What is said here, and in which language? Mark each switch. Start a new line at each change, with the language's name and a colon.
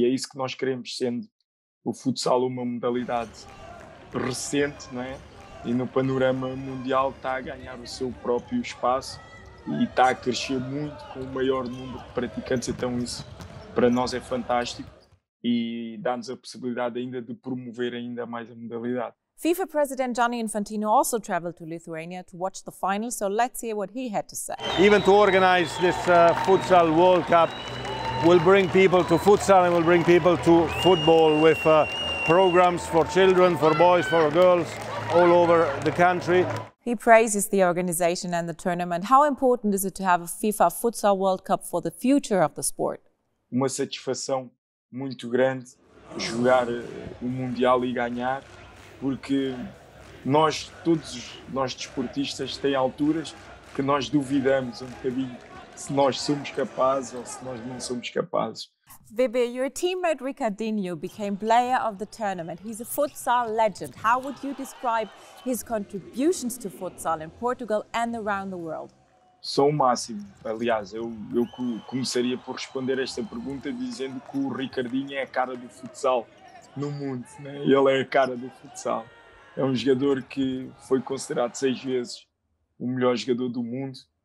Portuguese: E é isso que nós queremos, sendo o futsal uma modalidade recente, não é? E no panorama mundial está a ganhar o seu próprio espaço e está a crescer muito com o maior número de praticantes. Então isso para nós é fantástico e dá-nos a possibilidade ainda de promover ainda mais a modalidade.
English: FIFA President Gianni Infantino also traveled to Lithuania to watch the final, so let's hear what he had to say. Even to organize this Futsal World Cup will bring people to futsal and will bring people to football with programs for children, for boys, for girls all over the country. He praises the organization and the tournament. How important is it to have a FIFA Futsal World Cup for the future of the sport?
Portuguese: Uma satisfação muito grande jogar o Mundial e ganhar, porque nós, todos nós desportistas, tem alturas que nós duvidamos um bocadinho se nós somos capazes ou se nós não somos capazes.
English: Bebe, your teammate Ricardinho became player of the tournament. He's a futsal legend. How would you describe his contributions to futsal in Portugal and around the world?
Portuguese: Sou o máximo. Aliás, eu começaria por responder esta pergunta dizendo que o Ricardinho é a cara do futsal no mundo, né? Ele é a cara do futsal. É um jogador que foi considerado 6 vezes o melhor jogador do mundo.